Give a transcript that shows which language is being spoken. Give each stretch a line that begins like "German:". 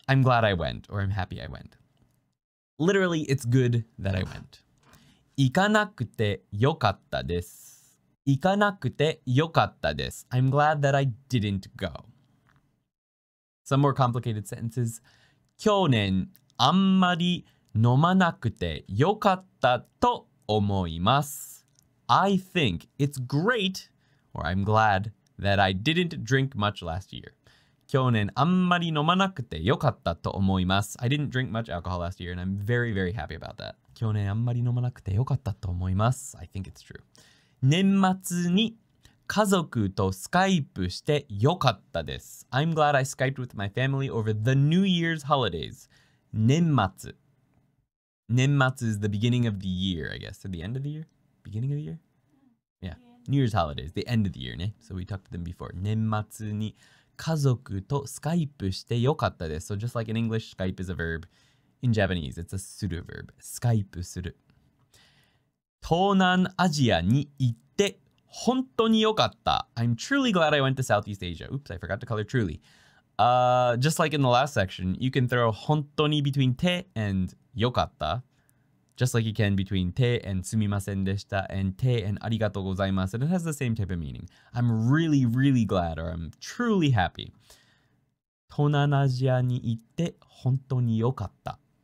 English: I'm glad I went, or I'm happy I went. Literally, it's good that I went.
Japanese: 行かなくてよかったです。行かなくてよかったです。
English: I'm glad that I didn't go. Some more complicated sentences.
Japanese: 去年あんまり飲まなくてよかったと思います。
English: I think it's great, or I'm glad, that I didn't drink much last year.
Japanese: 去年あんまり飲まなくてよかったと思います。
English: I didn't drink much alcohol last year, and I'm very, very happy about that.
Japanese: 去年あんまり飲まなくてよかったと思います。
English: I think it's true.
Japanese: 年末に家族とスカイプしてよかったです。
English: I'm glad I Skyped with my family over the New Year's holidays.
Japanese: 年末。
English: 年末 is the beginning of the year, I guess. So the end of the year? Beginning of the year? Yeah. New Year's holidays, the end of the year, ne? So we talked to them before.
Japanese: 年末に家族とスカイプしてよかったです。
English: So just like in English, Skype is a verb. In Japanese, it's a pseudo verb.
Japanese: スカイプする。東南アジアに行って本当によかった。
English: I'm truly glad I went to Southeast Asia. Oops, I forgot to color truly. Just like in the last section, you can throw 本当に between te and よかった. Just like you can between te and すみませんでした and te and ありがとうございます.And it has the same type of meaning. I'm really, really glad or I'm truly happy.
Japanese: 東南アジアに行って本当によかった.